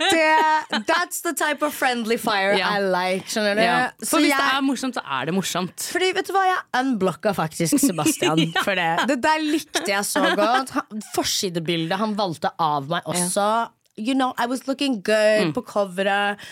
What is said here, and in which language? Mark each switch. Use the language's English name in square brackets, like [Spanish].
[English] Det, that's the type of friendly fire, ja. I like, [Norwegian] skjønner du? Ja. For hvis det er morsomt, så er det morsomt. Fordi, vet du hva? Jeg unblocket faktisk Sebastian. Ja. For det. Det der likte jeg så godt. Forsidebildet han valgte av meg også, ja. [English] You know, I was looking good [Norwegian] på coveret.